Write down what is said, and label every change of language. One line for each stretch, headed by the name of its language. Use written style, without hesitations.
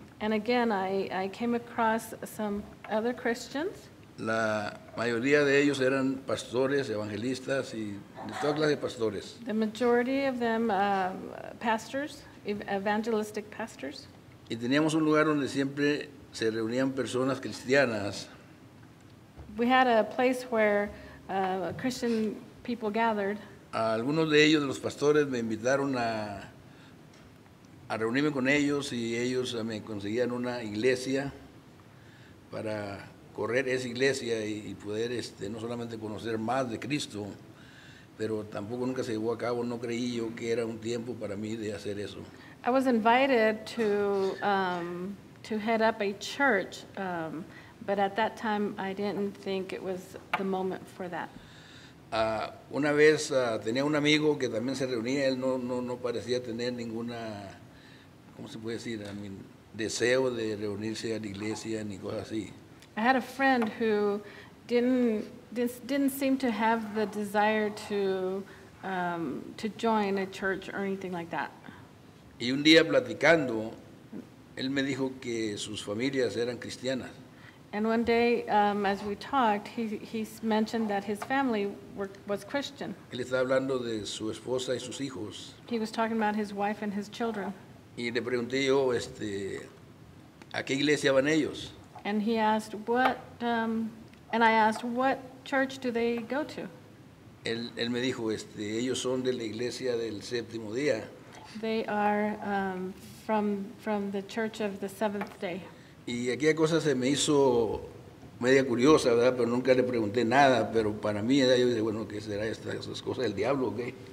English: And again, I came across some other Christians.
Spanish: La mayoría de ellos eran pastores, evangelistas y de toda clase de pastores.
English: The majority of them pastors, evangelistic pastors.
Spanish: Y teníamos un lugar donde siempre se reunían personas cristianas.
English: We had a place where Christian people gathered.
Spanish: Algunos de ellos, de los pastores, me invitaron a reunirme con ellos y ellos me conseguían una iglesia para correr esa iglesia y poder no solamente conocer más de Cristo, pero tampoco nunca se llevó a cabo, no creí yo que era un tiempo para mí de hacer eso.
English: I was invited to head up a church, but at that time I didn't think it was the moment for that.
Spanish: Una vez tenía un amigo que también se reunía, él no parecía tener ninguna, ¿cómo se puede decir? Deseo de reunirse a la iglesia ni cosas así.
English: I had a friend who didn't seem to have the desire to join a church or anything like that.
Spanish: Y un día platicando, él me dijo que sus familias eran cristianas.
English: And one day, as we talked, he mentioned that his family was Christian.
Spanish: Él estaba hablando de su esposa y sus hijos.
English: He was talking about his wife and his children.
Spanish: Y le pregunté yo, ¿a qué iglesia van ellos?
English: And he asked what church do they go to?
Spanish: Él me dijo, ellos son de la iglesia del séptimo día.
English: They are from the church of the seventh day.
Spanish: Y aquella cosa se me hizo media curiosa, ¿verdad? Pero nunca le pregunté nada, pero para mí yo dije, bueno, ¿qué será esas cosas del diablo, okay?